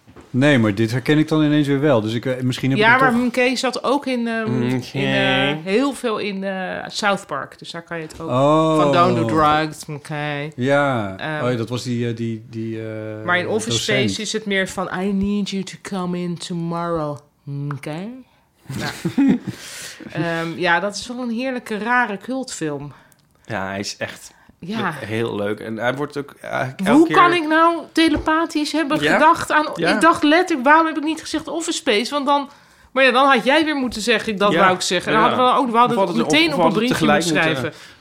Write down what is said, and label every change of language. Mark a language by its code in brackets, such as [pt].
[nl] Nee, maar dit herken ik dan ineens weer wel. Dus ik, misschien heb ja, ik maar toch... Mckay zat ook in, heel veel in South Park. Dus daar kan je het ook... Oh. [en] Van Don't Do Drugs, Mckay. [nl] Ja. Oh, ja, dat was die maar in Office Space is het meer van... [en] I need you to come in tomorrow, Mckay. [nl] Nou. ja, dat is wel een heerlijke, rare cultfilm. Ja, hij is echt... Ja. Heel leuk. En hij wordt ook hoe keer... kan ik nou telepathisch hebben gedacht aan... Ja. Ik dacht letterlijk, waarom heb ik niet gezegd Office Space? Want dan... Maar ja, dan had jij weer moeten zeggen, dat wou ik zeggen. Dan hadden we, ook, we hadden het meteen op een briefje moeten schrijven.